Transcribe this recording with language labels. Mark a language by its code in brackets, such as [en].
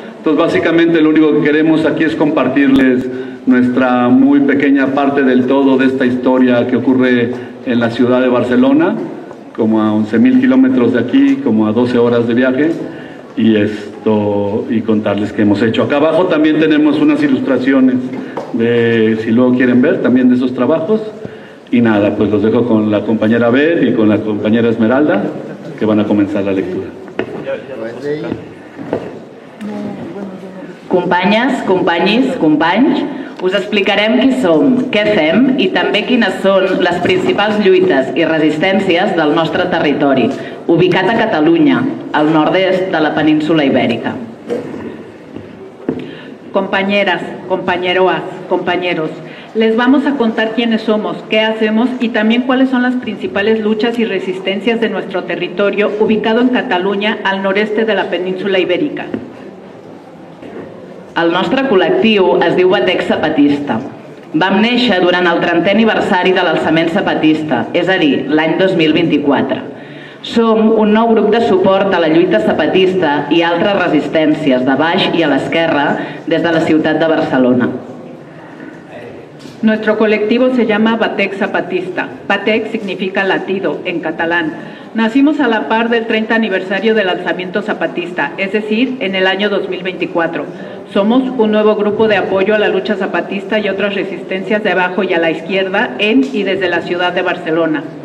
[es] Entonces, básicamente, lo único que queremos aquí es compartirles nuestra muy pequeña parte del todo de esta historia que ocurre en la ciudad de Barcelona, como a 11.000 kilómetros de aquí, como a 12 horas de viaje, y contarles qué hemos hecho. Acá abajo también tenemos unas ilustraciones, si luego quieren ver, también de esos trabajos. Y nada, pues los dejo con la compañera Beth y con la compañera Esmeralda, que van a comenzar la lectura. [ca] Companyes, companyis, companys, us explicarem qui som, què fem i també quines són les principals lluites i resistències del nostre territori, ubicat a Catalunya, al nord-est de la península Ibèrica. [es] Compañeras, compañeroas, compañeros, les vamos a contar quiénes somos, qué hacemos y también cuáles son las principales luchas y resistencias de nuestro territorio ubicado en Cataluña, al noreste de la península Ibèrica. [ca] El nostre col·lectiu es diu Batec Zapatista. Vam néixer durant el 30è aniversari de l'alçament zapatista, és a dir, l'any 2024. Som un nou grup de suport a la lluita zapatista i altres resistències de baix i a l'esquerra des de la ciutat de Barcelona. [es] Nuestro colectivo se llama Batec Zapatista. Batec significa latido en catalán. Nacimos a la par del 30 aniversario del alzamiento zapatista, es decir, en el año 2024. Somos un nuevo grupo de apoyo a la lucha zapatista y otras resistencias de abajo y a la izquierda en y desde la ciudad de Barcelona.